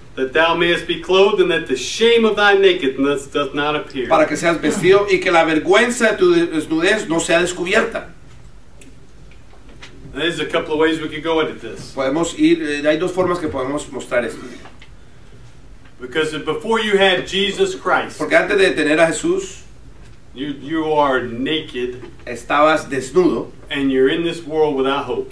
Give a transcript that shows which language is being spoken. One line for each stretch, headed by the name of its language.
English: That thou mayest be clothed, and that the shame of thy nakedness doth not appear.
Spanish: Para que seas vestido y que la vergüenza de tu desnudez no sea descubierta.
English: There's a couple of ways we could go into this.
Spanish: Podemos ir, hay dos formas que podemos mostrar esto.
English: Because before you had Jesus Christ.
Spanish: Porque antes de tener a Jesús.
English: You are naked.
Spanish: Estabas desnudo.
English: And you're in this world without hope.